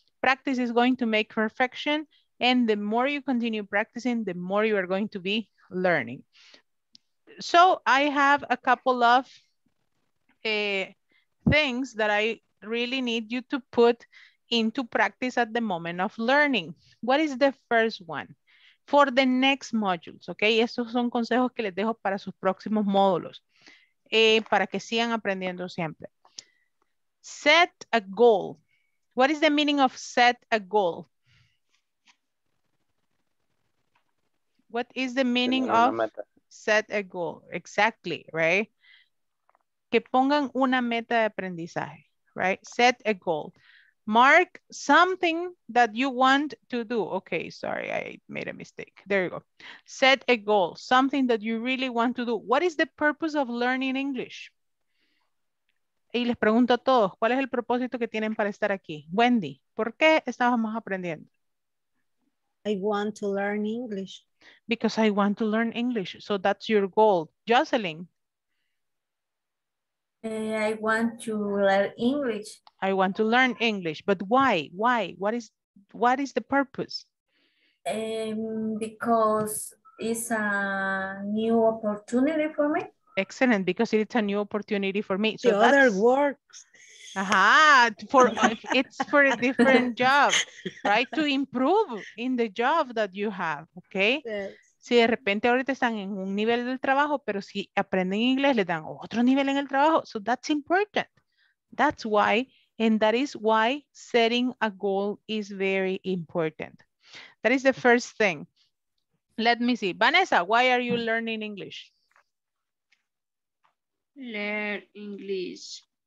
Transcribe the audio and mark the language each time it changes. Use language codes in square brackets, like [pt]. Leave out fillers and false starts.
[en] Practice is going to make perfection, and the more you continue practicing, the more you are going to be learning. So I have a couple of things that I really need you to put into practice at the moment of learning. What is the first one? For the next modules, okay? [es] Estos son consejos que les dejo para sus próximos módulos, para que sigan aprendiendo siempre. [en] Set a goal. What is the meaning of set a goal? What is the meaning of set a goal? Exactly, right? Que pongan una meta de aprendizaje, right? Set a goal. Mark something that you want to do. Okay, sorry, I made a mistake. There you go. Set a goal, something that you really want to do. What is the purpose of learning English? [es] Y les pregunto a todos, ¿cuál es el propósito que tienen para estar aquí? Wendy, ¿por qué estábamos aprendiendo? [en] I want to learn English. Because I want to learn English. So that's your goal. Jocelyn. I want to learn English. I want to learn English, but why? Why? What is the purpose? Because it's a new opportunity for me. Excellent, because it's a new opportunity for me. So the other works. It's for a different job, right? To improve in the job that you have, okay? Yes. [es] Si de repente ahorita están en un nivel del trabajo, pero si aprenden inglés, les dan otro nivel en el trabajo. [en] So that's important. That's why, and that is why setting a goal is very important. That is the first thing. Let me see. Vanessa, why are you learning English? Learn English.